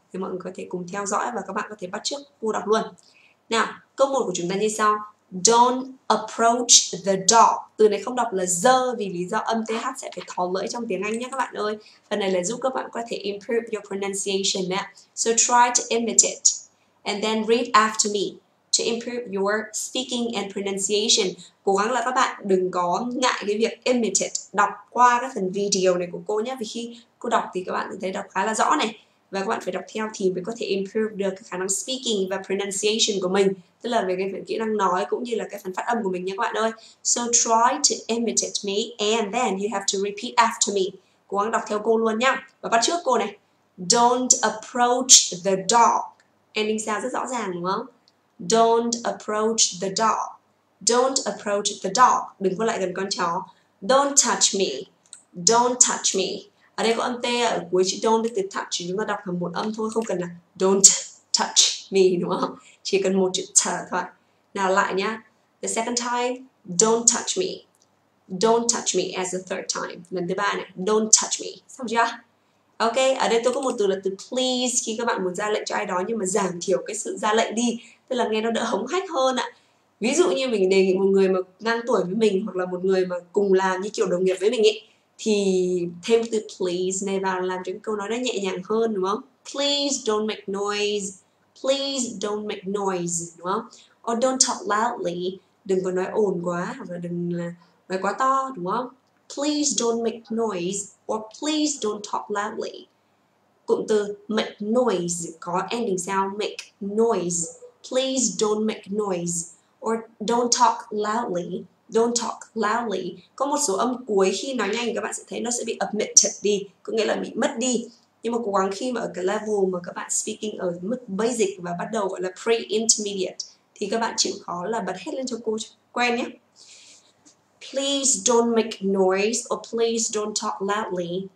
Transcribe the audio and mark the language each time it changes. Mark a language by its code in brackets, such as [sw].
[vi] Thì mọi người có thể cùng theo dõi và các bạn có thể bắt chước cô đọc luôn. Nào, câu 1 của chúng ta như sau. [en] Don't approach the dog. [vi] Từ này không đọc là dơ vì lý do âm th sẽ phải thò lưỡi trong tiếng Anh nhé các bạn ơi. Phần này là giúp các bạn có thể [en] improve your pronunciation [vi] nè. [en] So try to imitate and then read after me to improve your speaking and pronunciation. [vi] Cố gắng là các bạn đừng có ngại cái việc imitate, đọc qua cái phần video này của cô nhé. Vì khi cô đọc thì các bạn thấy đọc khá là rõ này. Và các bạn phải đọc theo thì mới có thể improve được khả năng speaking và pronunciation của mình. Tức là về cái phần kỹ năng nói cũng như là cái phần phát âm của mình nha các bạn ơi. [en] So try to imitate me and then you have to repeat after me. [vi] Cố gắng đọc theo cô luôn nhá. Và bắt chước cô này. [en] Don't approach the dog. Ending sound [vi] rất rõ ràng đúng không? [en] Don't approach the dog. Don't approach the dog. [vi] Đừng có lại gần con chó. [en] Don't touch me. Don't touch me. [vi] Ở đây có âm T ở cuối chữ don't thì touch, chúng ta đọc là một âm thôi, không cần là [en] don't touch me [vi] đúng không? Chỉ cần một chữ t thôi. Nào lại nhá. [en] The second time, don't touch me. Don't touch me as the third time. [vi] Lần thứ ba này, [en] don't touch me. [vi] Xong chưa? Ok, ở đây tôi có một từ là từ please khi các bạn muốn ra lệnh cho ai đó nhưng mà giảm thiểu cái sự ra lệnh đi. Tức là nghe nó đỡ hống hách hơn ạ. Ví dụ như mình đề nghị một người mà ngang tuổi với mình hoặc là một người mà cùng làm như kiểu đồng nghiệp với mình ấy, thì thêm từ please này vào làm cho cái câu nói nó nhẹ nhàng hơn đúng không? [en] Please don't make noise. Please don't make noise [vi] đúng không? [en] Or don't talk loudly. [vi] Đừng có nói ồn quá và đừng là nói quá to đúng không? [en] Please don't make noise or please don't talk loudly. [vi] Cụm từ make noise có ending sound make noise. [en] Please don't make noise or don't talk loudly. Don't talk loudly. [vi] Có một số âm cuối khi nói nhanh các bạn sẽ thấy nó sẽ bị omitted đi, có nghĩa là bị mất đi. Nhưng mà cố gắng khi mà ở cái level mà các bạn speaking ở mức basic và bắt đầu gọi là pre-intermediate thì các bạn chịu khó là bật hết lên cho cô cho quen nhé. [en] Please don't make noise or please don't talk loudly.